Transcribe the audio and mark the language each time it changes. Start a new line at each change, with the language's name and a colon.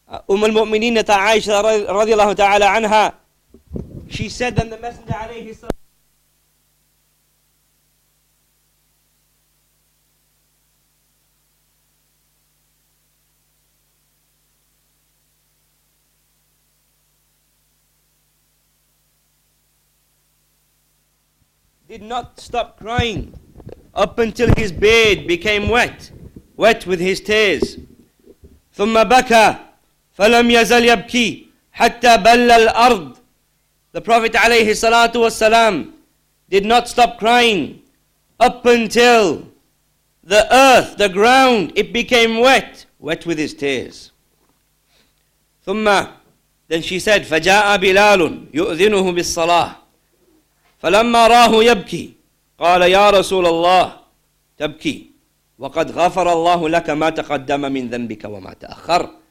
Arabic: أم المؤمنين عائشة رضي الله تعالى عنها,
English: she said that the Messenger
Arabic: عليه الصلاة
English: did not stop crying up until his beard became wet with his tears.
Arabic: ثم بكى فلم يزل يبكي حتى بل الأرض.
English: The Prophet
Arabic: عليه الصلاة والسلام
English: did not stop crying up until the earth, the ground, it became wet with his tears.
Arabic: ثم,
English: then she said,
Arabic: فجاء بلال يؤذنه بالصلاة. فلما راه يبكي قال يا رسول الله تبكي وقد غفر الله لك ما تقدم من ذنبك وما تأخر.